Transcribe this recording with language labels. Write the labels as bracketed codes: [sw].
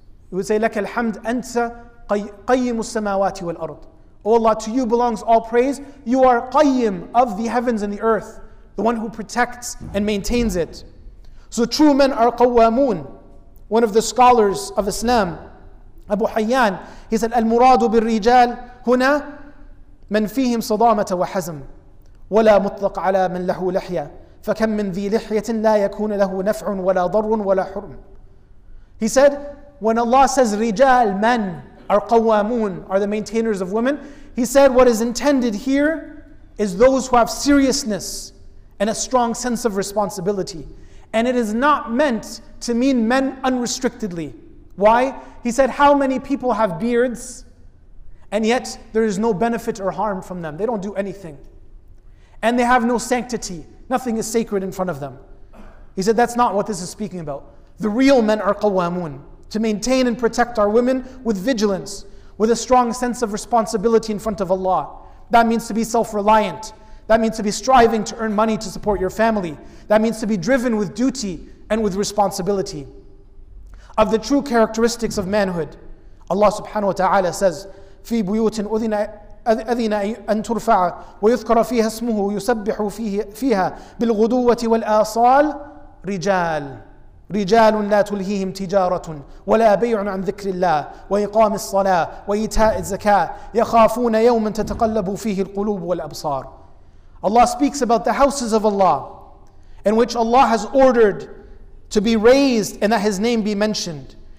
[en] He would say, [ar] لك الحمد أنت قيم السماوات والأرض. [en] O Allah, to you belongs all praise. You are qayyim of the heavens and the earth, the one who protects and maintains it. So true men are qawwamun. One of the scholars of Islam, Abu Hayyan, he said, [ar] المراد بالرجال هنا من فيهم صدامة وحزم ولا مطلق على من له لحية فكم من ذي لحية لا يكون له نفع ولا ضر ولا حرم. [en] He said, when Allah says رجال, men are قوامون, are the maintainers of women, He said, what is intended here is those who have seriousness and a strong sense of responsibility. And it is not meant to mean men unrestrictedly. Why? He said, how many people have beards and yet there is no benefit or harm from them? They don't do anything. And they have no sanctity. Nothing is sacred in front of them. He said, that's not what this is speaking about. The real men are qawwamun, to maintain and protect our women with vigilance, with a strong sense of responsibility in front of Allah. That means to be self-reliant. That means to be striving to earn money to support your family. That means to be driven with duty and with responsibility. Of the true characteristics of manhood, Allah subhanahu wa ta'ala says, [ar] "Fi buyutin أذن أن ترفع ويذكر فيها اسمه يسبح فيها بالغدوة والآصال رجال لا تلهيهم تجارة ولا بيع عن ذكر الله وإقام الصلاة وإيتاء الزكاة يخافون يوما تتقلب فيه القلوب والأبصار." [en] Allah speaks about the houses of Allah in which Allah has ordered to be raised and that His name be mentioned.